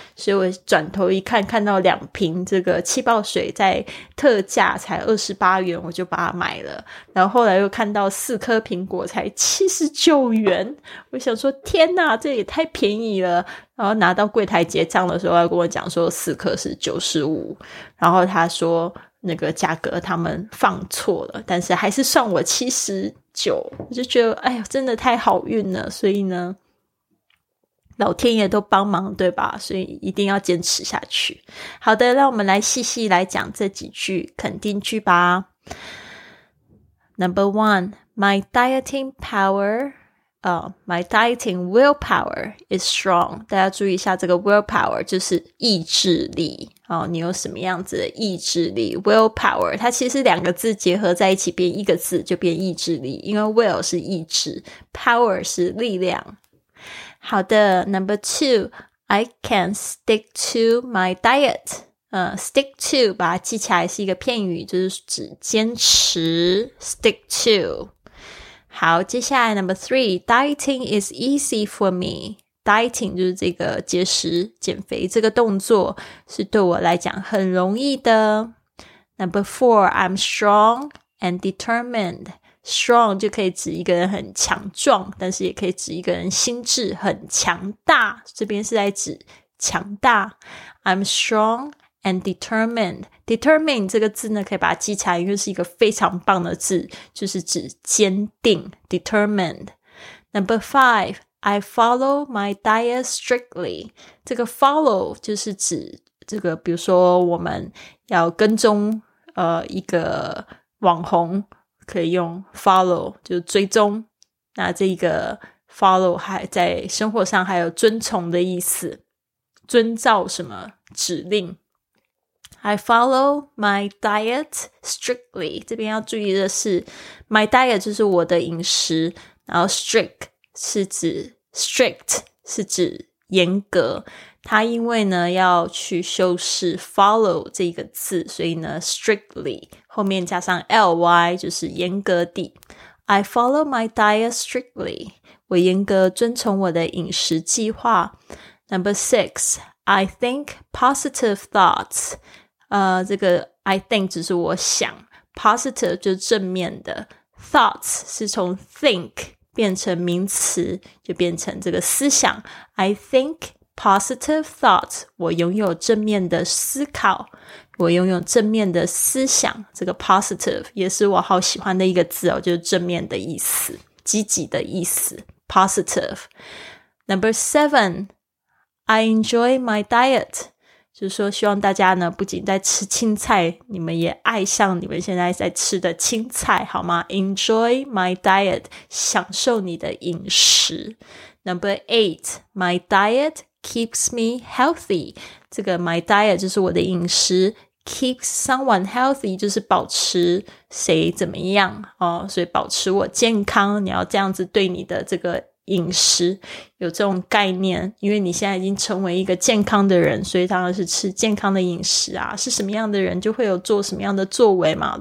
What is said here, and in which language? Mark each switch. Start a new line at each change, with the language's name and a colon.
Chinese: 所以我转头一看，看到两瓶这个气泡水在特价才28元，我就把它买了，然后后来又看到4颗苹果才79元，我想说天哪，这也太便宜了，然后拿到柜台结账的时候要跟我讲说4颗是95，然后他说那个价格他们放错了，但是还是算我79，我就觉得哎呀，真的太好运了，所以呢老天爷都帮忙对吧，所以一定要坚持下去。好的，让我们来细细来讲这几句肯定句吧。
English: Number one, my dieting power my dieting willpower is strong.
Chinese: 大家注意一下这个 willpower 就是意志力哦，你有什么样子的意志力 willpower， 它其实两个字结合在一起变一个字就变意志力，因为 will 是意志， power 是力量。
English: 好的， number two, I can stick to my diet stick to
Chinese: 把它记起来是一个片语，就是指坚持
English: stick to。
Chinese: 好，接下来
English: number three, dieting is easy for meDieting
Chinese: 就是这个节食减肥这个动作是对我来讲很容易的。
English: Number four, I'm strong and determined.
Chinese: Strong 就可以指一个人很强壮，但是也可以指一个人心智很强大，这边是在指强大。
English: I'm strong and determined.
Chinese: Determined 这个字呢可以把它记起来，因为是一个非常棒的字，就是指坚定 determined.
English: Number fiveI follow my diet strictly.
Chinese: 这个 follow 就是指这个，比如说我们要跟踪一个网红，可以用 follow 就追踪。那这个 follow 还在生活上还有遵从的意思，遵照什么指令。
English: I follow my diet strictly.
Chinese: 这边要注意的是 ，my diet 就是我的饮食，然后 strict 是指。 Strict 是指严格，他因为呢要去修饰 follow 这个字，所以呢 strictly 后面加上 ly 就是严格地。
English: I follow my diet strictly.
Chinese: 我严格遵从我的饮食计划。
English: Number six, I think positive thoughts.
Chinese: 这个 I think 只是我想， positive 就是正面的， thoughts 是从 think变成名词，就变成这个思想。
English: I think positive thoughts.
Chinese: 我拥有正面的思考，我拥有正面的思想。这个 positive 也是我好喜欢的一个字哦，就是正面的意思，积极的意思。
English: Positive. Number seven. I enjoy my diet.
Chinese: 就是说，希望大家呢不仅在吃青菜，你们也爱上你们现在在吃的青菜好吗？
English: Enjoy my diet,
Chinese: 享受你的饮食。
English: Number eight, my diet keeps me healthy.
Chinese: 这个 my diet 就是我的饮食，
English: keeps someone healthy
Chinese: 就是保持谁怎么样哦，所以保持我健康，你要这样子对你的这个饮食有这种概念，因为你现在已经成为一个健康的人，所以当然是吃健康的饮食啊，是什么样的人就会有做什么样的作为嘛。